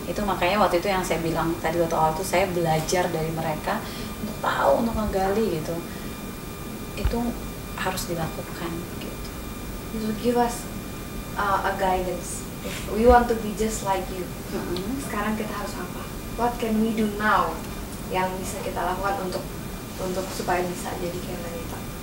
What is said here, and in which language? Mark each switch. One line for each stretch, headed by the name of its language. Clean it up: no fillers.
Indonesian: Itu makanya waktu itu yang saya bilang tadi waktu awal itu, saya belajar dari mereka untuk tahu, untuk menggali gitu. Itu harus dilakukan gitu.
English: You give us a guidance. If we want to be just like you.
Indonesian: Sekarang kita harus apa?
English: What can we do now?
Indonesian: Yang bisa kita lakukan untuk supaya bisa jadi kayak mereka.